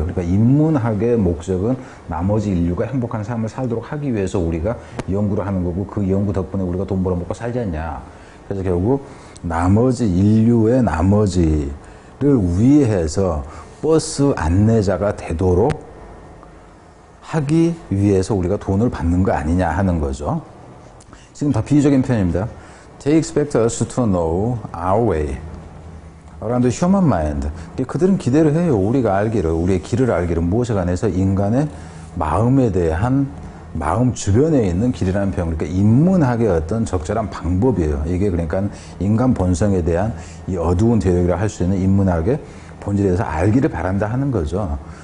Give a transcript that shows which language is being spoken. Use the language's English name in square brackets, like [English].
[Korean] 그러니까 인문학의 목적은 나머지 인류가 행복한 삶을 살도록 하기 위해서 우리가 연구를 하는 거고 그 연구 덕분에 우리가 돈 벌어먹고 살지 않냐. 그래서 결국 나머지 인류의 나머지를 위해서 버스 안내자가 되도록 하기 위해서 우리가 돈을 받는 거 아니냐 하는 거죠. 지금 다 비유적인 표현입니다. [English] They expect us to know our way around the human mind. [Korean] 그들은 기대를 해요. 우리가 알기를, 우리의 길을 알기를, 무엇에 관해서 인간의 마음에 대한 마음 주변에 있는 길이라는 표현. 그러니까 인문학의 어떤 적절한 방법이에요. 이게 그러니까 인간 본성에 대한 이 어두운 대륙이라 할 수 있는 인문학의 본질에 대해서 알기를 바란다 하는 거죠.